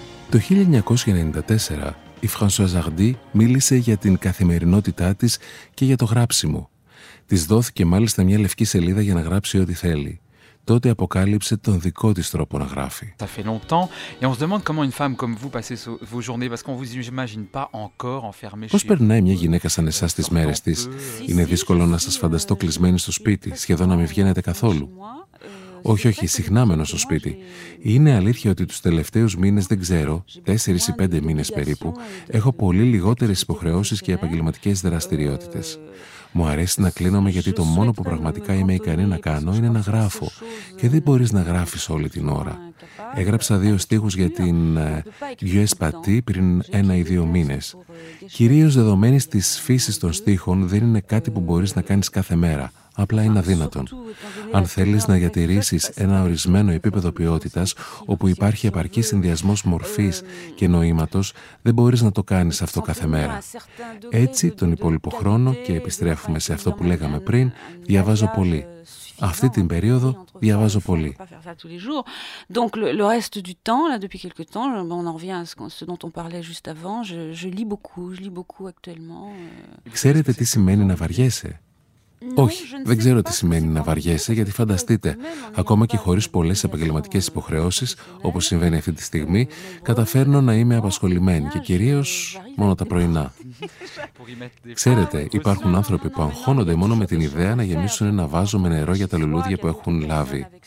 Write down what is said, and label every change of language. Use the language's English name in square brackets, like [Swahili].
[Greek] Το 1994 η Françoise Hardy μίλησε για την καθημερινότητά της και για το γράψιμο. Της δόθηκε μάλιστα μια λευκή σελίδα για να γράψει ό,τι θέλει. Τότε αποκάλυψε τον δικό της τρόπο να γράφει. [French] Ça fait longtemps et on se demande comment une femme comme vous passez vos journées parce qu'on vous imagine pas encore enfermée. [Greek] Πώς περνάει μια γυναίκα σαν εσάς τις μέρες της? Είναι δύσκολο να σας φανταστώ κλεισμένη στο σπίτι, σχεδόν να μην βγαίνετε καθόλου. Όχι, όχι, συχνά μένω στο σπίτι. Είναι αλήθεια ότι τους τελευταίους μήνες, δεν ξέρω, 4-5 μήνες περίπου, έχω πολύ λιγότερες υποχρεώσεις και επαγγελματικές δραστηριότητες. Μου αρέσει να κλείνομαι γιατί το μόνο που πραγματικά είμαι ικανή να κάνω είναι να γράφω. Και δεν μπορείς να γράφεις όλη την ώρα. Έγραψα 2 στίχους για την US Patty πριν 1-2 μήνες. Κυρίως δεδομένης της φύσης των στίχων, δεν είναι κάτι που μπορείς να κάνεις κάθε μέρα. Απλά είναι αδύνατον. Αν θέλεις να διατηρήσεις ένα ορισμένο επίπεδο ποιότητας, όπου υπάρχει επαρκή συνδυασμός μορφής και νοήματος, δεν μπορείς να το κάνεις αυτό κάθε μέρα. Έτσι, τον υπόλοιπο χρόνο, και επιστρέφουμε σε αυτό που λέγαμε πριν, διαβάζω πολύ. Αυτή την περίοδο διαβάζω πολύ. [French] Donc le reste du temps là depuis quelque temps, on en revient à ce dont on parlait juste avant, je lis beaucoup, je lis beaucoup actuellement. [Greek] Ξέρετε τι σημαίνει να βαριέσαι? Όχι, δεν ξέρω τι σημαίνει να βαριέσαι, γιατί φανταστείτε, ακόμα και χωρίς πολλές επαγγελματικές υποχρεώσεις, όπως συμβαίνει αυτή τη στιγμή, καταφέρνω να είμαι απασχολημένη και κυρίως μόνο τα πρωινά. Ξέρετε, υπάρχουν άνθρωποι που αγχώνονται μόνο με την ιδέα να γεμίσουν ένα βάζο με νερό για τα λουλούδια που έχουν λάβει.